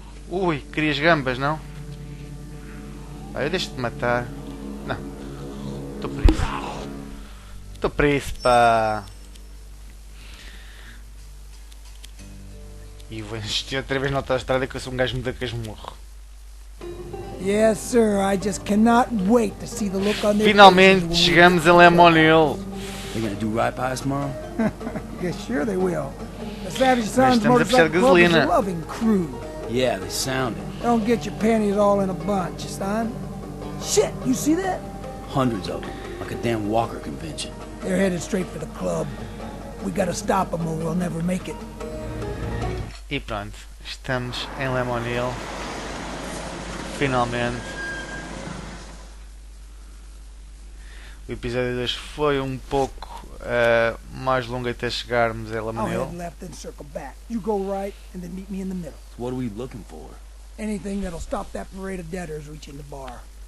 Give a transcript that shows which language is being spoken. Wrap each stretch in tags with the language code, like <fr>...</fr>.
<pt>Ui, querias gambas, não? Ah, eu deixo-te matar. Não. Estou por isso. Estou por isso, pá. E vou insistir outra vez na autoestrada que eu sou um gajo muito casmurro.</pt> <en>Yes, sir, I just cannot wait to see the look on their faces.</en> <pt>Finalmente chegamos a Lemon Hill.</pt> <en>They're gonna do right by us tomorrow? Yeah, sure they will. The Savage Sons motorcycle club is a loving crew. Yeah, they sound it. Don't get your panties all in a bunch, son. Shit, you see that? Hundreds of them. Like a damn Walker convention. They're headed straight for the club. We gotta stop them or we'll never make it.</en> <pt>E pronto. Estamos em Lemon Hill. Finalmente. O episódio 2 foi um pouco mais longo até chegarmos a Lemon Hill.</pt> <en>I'll head left and circle back. You go right and then meet me in the middle. What are we looking for? Anything that'll stop that parade of debtors reaching the bar.</en>